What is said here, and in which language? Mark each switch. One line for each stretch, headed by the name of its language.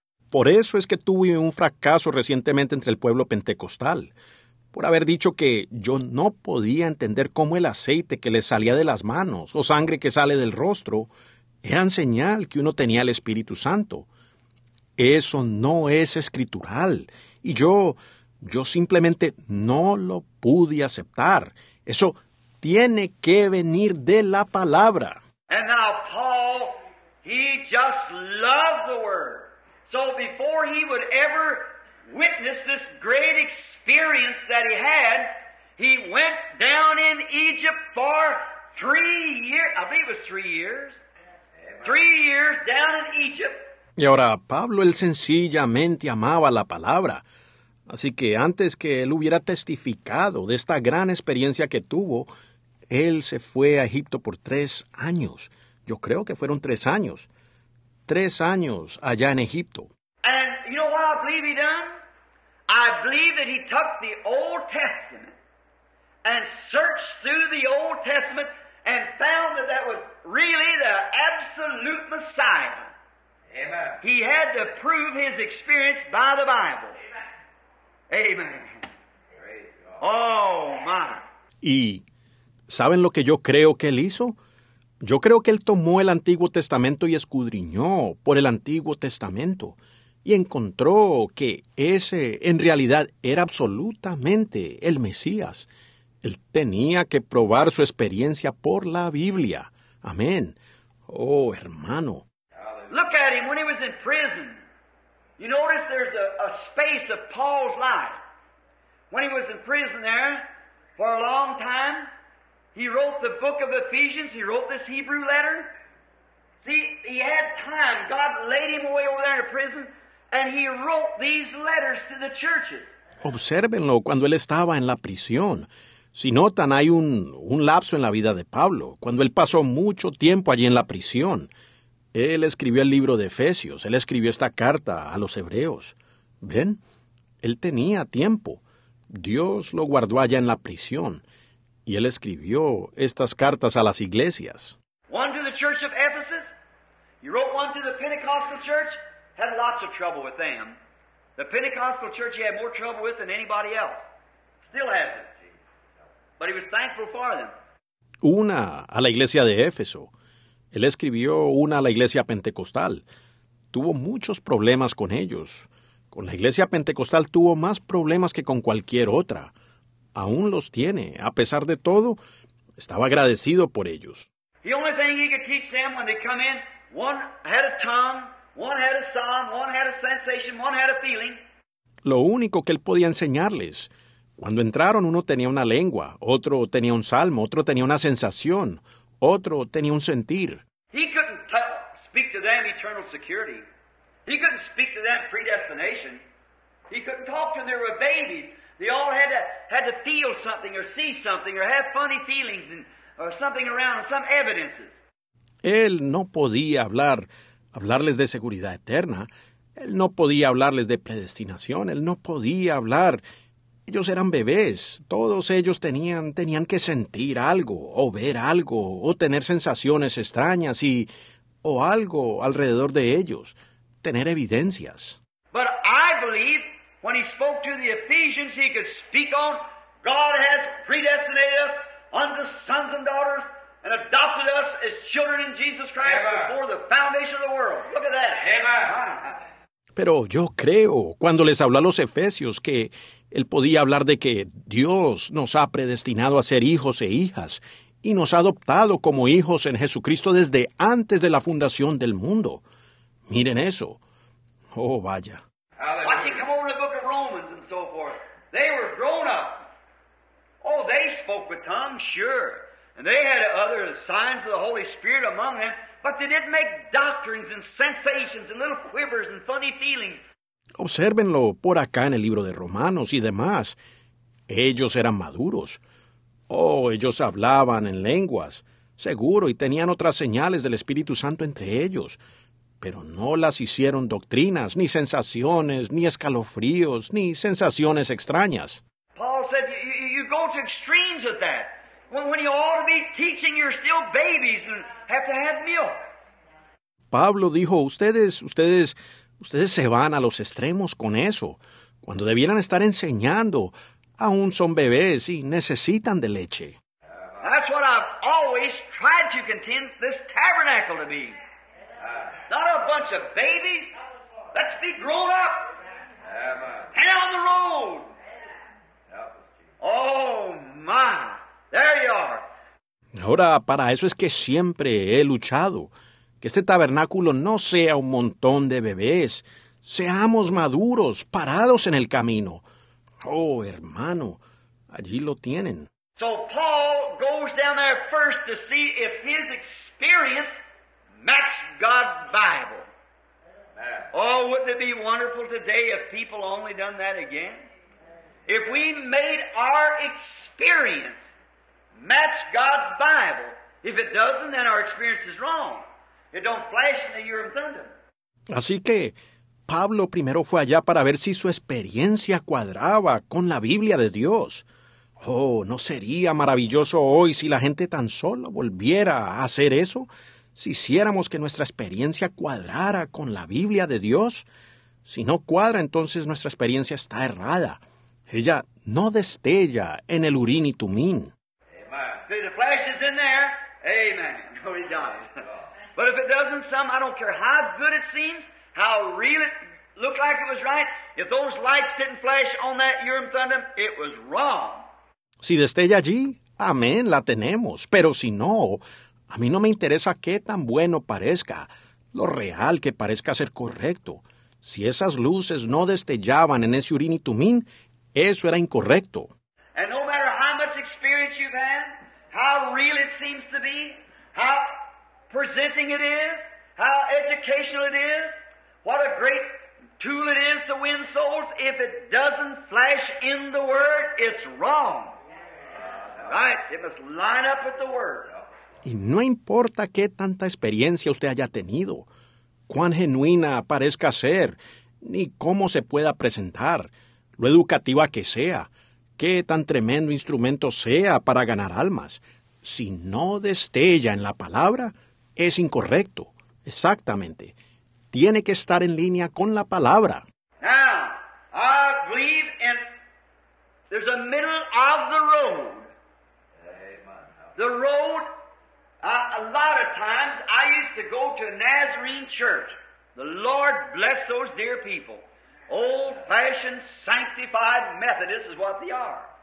Spanish: Por eso es que tuve un fracaso recientemente entre el pueblo pentecostal, por haber dicho que yo no podía entender cómo el aceite que le salía de las manos o sangre que sale del rostro eran señal que uno tenía el Espíritu Santo. Eso no es escritural. Y yo simplemente no lo pude aceptar. Eso tiene que venir de la palabra.
English: And now Paul, he just loved the word. So before he would ever witness this great experience that he had, he went down in Egypt for 3 years. I believe it was 3 years. 3 years down in Egypt.
Spanish: Y ahora, Pablo, él sencillamente amaba la palabra. Así que antes que él hubiera testificado de esta gran experiencia que tuvo, él se fue a Egipto por 3 años. Yo creo que fueron 3 años. 3 años allá en Egipto.
English: And you know what I believe he done? I believe that he took the Old Testament and searched through the Old Testament and found that that was really the absolute Messiah. Amen. He had to prove his experience by the Bible. Amen. Oh, my.
Spanish: ¿Y saben lo que yo creo que él hizo? Yo creo que él tomó el Antiguo Testamento y escudriñó por el Antiguo Testamento y encontró que ese en realidad era absolutamente el Mesías. Él tenía que probar su experiencia por la Biblia. Amén. Oh, hermano.
English: Look at him when he was in prison. You notice there's a space of Paul's life. When he was in prison there for a long time, he wrote the book of Ephesians. He wrote this Hebrew letter. See, he had time. God laid him away over there in a prison, and he wrote these letters to the churches.
Spanish: Obsérvenlo cuando él estaba en la prisión. Si notan, hay un lapso en la vida de Pablo, cuando él pasó mucho tiempo allí en la prisión. Él escribió el libro de Efesios. Él escribió esta carta a los hebreos. ¿Ven? Él tenía tiempo. Dios lo guardó allá en la prisión. Y él escribió estas cartas a las iglesias.
English: One to the church of Ephesus. He wrote one to the Pentecostal church. Had lots of trouble with them. The Pentecostal church he had more trouble with than anybody else. Still has it. But he was thankful for them.
Spanish: Una a la iglesia de Éfeso. Él escribió una a la iglesia pentecostal. Tuvo muchos problemas con ellos. Con la iglesia pentecostal tuvo más problemas que con cualquier otra. Aún los tiene. A pesar de todo, estaba agradecido por ellos.
English: The only thing he could teach them when they come in, one had a tongue, one had a song, one had a sensation, one had a feeling.
Spanish: Lo único que él podía enseñarles, cuando entraron, uno tenía una lengua, otro tenía un salmo, otro tenía una sensación. Otro tenía un sentir.
English: He couldn't speak to them eternal security. He couldn't speak to them predestination. He couldn't talk to them. They were babies. They all had to feel something or see something or have funny feelings and or something around or some evidences.
Spanish: Él no podía hablarles de seguridad eterna. Él no podía hablarles de predestinación. Él no podía hablar. Ellos eran bebés. Todos ellos tenían que sentir algo, o ver algo, o tener sensaciones extrañas, y o algo alrededor de ellos, tener evidencias.
English: But I believe when he spoke to the Ephesians, he could speak on God has predestinated us unto sons and daughters and adopted us as children in Jesus Christ Amen. Before the foundation of the world. Look at that. Amen.
Spanish: Pero yo creo, cuando les habló a los Efesios, que él podía hablar de que Dios nos ha predestinado a ser hijos e hijas y nos ha adoptado como hijos en Jesucristo desde antes de la fundación del mundo. Miren eso. Oh, vaya.
English: Watch him come over to the book of Romans and so forth. They were grown up. Oh, they spoke with tongues, sure. And they had other signs of the Holy Spirit among them. But they didn't make doctrines and sensations and little quivers and funny feelings.
Spanish: Obsérvenlo por acá en el libro de Romanos y demás. Ellos eran maduros. Oh, ellos hablaban en lenguas, seguro, y tenían otras señales del Espíritu Santo entre ellos. Pero no las hicieron doctrinas, ni sensaciones, ni escalofríos, ni sensaciones extrañas.
English: Paul said, you go to extremes with that. Well, when you ought to be teaching, you're still babies and have to have milk.
Spanish: Pablo dijo, ustedes se van a los extremos con eso. Cuando debieran estar enseñando, aún son bebés y necesitan de leche.
English: That's what I've always tried to contend this tabernacle to be. Not a bunch of babies. Let's be grown up. Hand on the road. Oh, my. There you are.
Spanish: Ahora, para eso es que siempre he luchado. Que este tabernáculo no sea un montón de bebés. Seamos maduros, parados en el camino. Oh, hermano, allí lo tienen.
English: So Paul goes down there first to see if his experience matches God's Bible. Oh, wouldn't it be wonderful today if people only done that again? If we made our experience match God's Bible. If it doesn't, then our experience is wrong. It don't flash in the year of thunder.
Spanish: Así que Pablo primero fue allá para ver si su experiencia cuadraba con la Biblia de Dios. Oh, ¿no sería maravilloso hoy si la gente tan solo volviera a hacer eso? Si hiciéramos que nuestra experiencia cuadrara con la Biblia de Dios. Si no cuadra, entonces nuestra experiencia está errada. Ella no destella en el Urim y Tumim.
English: Amen. If the flesh is in there, amen. No, he died. But if it doesn't, some, I don't care how good it seems, how real it looked like it was right, if those lights didn't flash on that Urim Thummim, it was wrong.
Spanish: Si destella allí, amén, la tenemos. Pero si no, a mí no me interesa qué tan bueno parezca, lo real que parezca ser correcto. Si esas luces no destellaban en ese Urim y Tumim, eso era incorrecto.
English: And no matter how much experience you've had, how real it seems to be, how presenting it is, how educational it is, what a great tool it is to win souls, if it doesn't flash in the Word, it's wrong. Right, it must line up with the Word.
Spanish: Y no importa qué tanta experiencia usted haya tenido, cuán genuina parezca ser, ni cómo se pueda presentar, lo educativa que sea, qué tan tremendo instrumento sea para ganar almas, si no destella en la palabra, es incorrecto. Exactamente. Tiene que estar en línea con la palabra.
English: Now, I believe in there's a middle of the road. The road, a lot of times, I used to go to a Nazarene church. The Lord bless those dear people. Old-fashioned, sanctified Methodists is what they are.